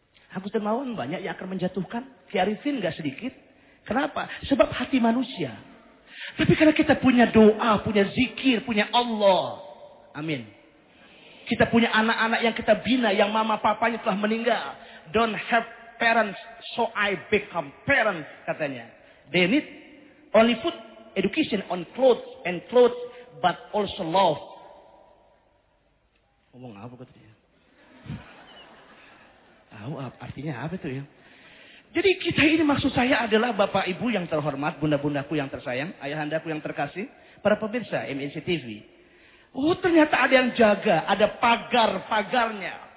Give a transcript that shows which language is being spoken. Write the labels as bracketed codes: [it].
[id] Agus Dermawan banyak yang akan menjatuhkan. Kiai Arifin gak sedikit. Kenapa? Sebab hati manusia. Tapi karena kita punya doa, punya zikir, punya Allah. Amin. Kita punya anak-anak yang kita bina, yang mama papanya telah meninggal. [en] Don't have parents, so I become parents, [id] katanya. [en] They need only food, education on clothes and clothes, but also love. [id] Ngomong apa tadi? Tahu apa artinya apa itu ya? Jadi kita ini maksud saya adalah bapak ibu yang terhormat, bunda-bundaku yang tersayang, ayahandaku yang terkasih, para pemirsa MNC TV. Oh ternyata ada yang jaga, ada pagar-pagarnya.